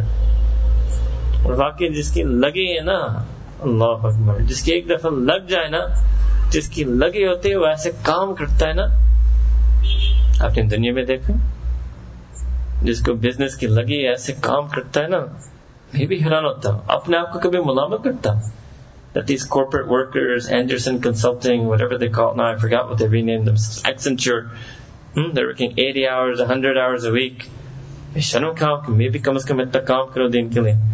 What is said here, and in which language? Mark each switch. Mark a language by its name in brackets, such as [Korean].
[Urdu] اور واقعی جس کی لگی ہے نا, اللہ اکبر, جس کی ایک دفعہ لگ جائے نا, جس کی لگی ہوتی ہے وہ ایسے کام کرتا ہے نا. آپ نے دنیا میں دیکھا جس کو بزنس کی لگی ایسے کام کرتا ہے نا, میں بھی حیران ہوتا ہوں. اپنے آپ کو کبھی ملامت کرتا ہوں [English] that these corporate workers, Anderson Consulting, whatever they call it now, I forgot what they renamed them, Accenture, they're working 80 hours, 100 hours a week. [Urdu] میں شرم کھاؤں کہ میں بھی کم از کم اتنا کام کروں دن کے لیے.